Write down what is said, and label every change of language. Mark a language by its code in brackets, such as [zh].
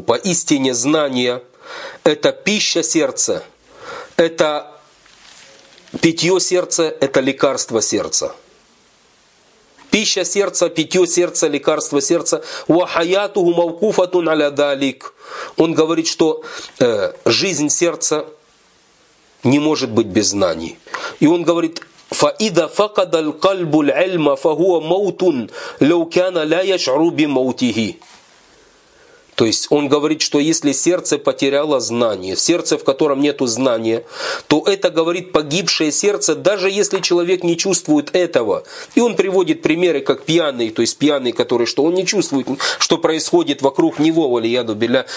[ru] Поистине знание – это пища сердца, это питье сердца, это лекарство сердца. Пища сердца, питье сердца, лекарство сердца. [ar] «Ва хаятуху мавкуфатун аля далик». [ru] Он говорит, что жизнь сердца не может быть без знаний. И он говорит, [ar] فَإِذَا فَقَدَ الْقَلْبُ الْعِلْمَ فَهُوَ مَوْتٌ لَوْ كَانَ لَا يَشْعُرُ بِمَوْتِهِ. [ru] То есть он говорит, что если сердце потеряло знание, сердце, в котором нету знания, то это, говорит, погибшее сердце, даже если человек не чувствует этого. И он приводит примеры, как пьяный, то есть пьяный, который что? Он не чувствует, что происходит вокруг него, [ar] валияду билля.